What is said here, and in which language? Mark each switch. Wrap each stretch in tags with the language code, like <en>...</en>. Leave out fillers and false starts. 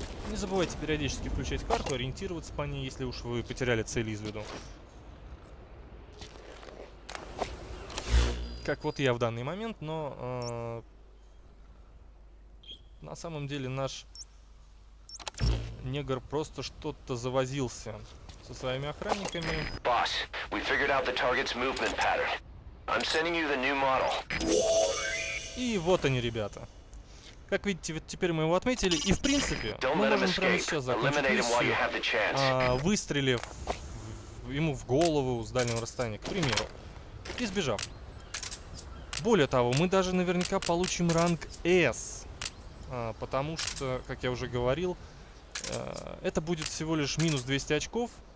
<ru>Не забывайте периодически включать карту, ориентироваться по ней, если уж вы потеряли цель из виду. Как вот я в данный момент, но на самом деле наш негр просто что-то завозился со своими охранниками.</ru> <en>Boss, we figured out the target's movement pattern. I'm sending you the new model.</en> <ru>И вот они, ребята. Как видите, вот теперь мы его отметили, и в принципе, мы можем прямо сейчас закончить миссию, выстрелив ему в голову с дальнего расстояния, к примеру, и сбежав. Более того, мы даже наверняка получим ранг S, потому что, как я уже говорил, это будет всего лишь минус 200 очков.</ru>